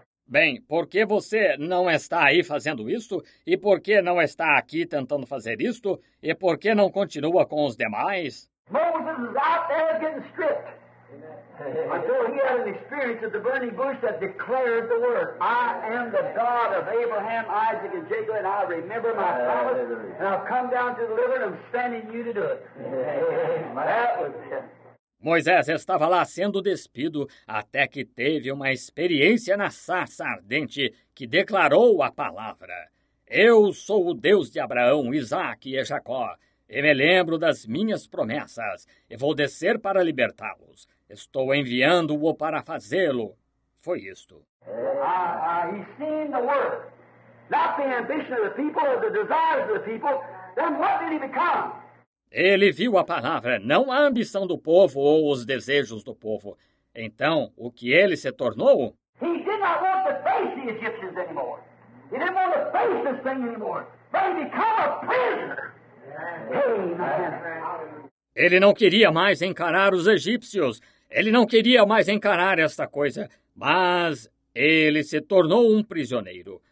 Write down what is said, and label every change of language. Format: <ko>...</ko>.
<pt>Bem, por que você não está aí fazendo isto? E por que não está aqui tentando fazer isto? E por que não continua com os demais?</pt> <en>Moses is out there getting stripped. Until he had an experience at the burning bush that declared the word, I am the God of Abraham, Isaac, and Jacob, and I remember my promise, and I've come down to deliver, and I'm sending you to do it. That was it.</en> <pt>Moisés estava lá sendo despido até que teve uma experiência na sarça ardente que declarou a palavra. Eu sou o Deus de Abraão, Isaac e Jacó, e me lembro das minhas promessas, e vou descer para libertá-los. Estou enviando-o para fazê-lo. Foi isto.</pt> <en>He seen the work. Not the ambition of the people, or the desires of the people. Then what did he become?</en> <pt>Ele viu a palavra, não a ambição do povo ou os desejos do povo. Então, o que ele se tornou?</pt> <en>He did not want to face the Egyptians anymore. He didn't want to face this thing anymore. But he became a prisoner. Amen.</en> <pt>Ele não queria mais encarar os egípcios. Ele não queria mais encarar esta coisa. Mas ele se tornou um prisioneiro.</pt>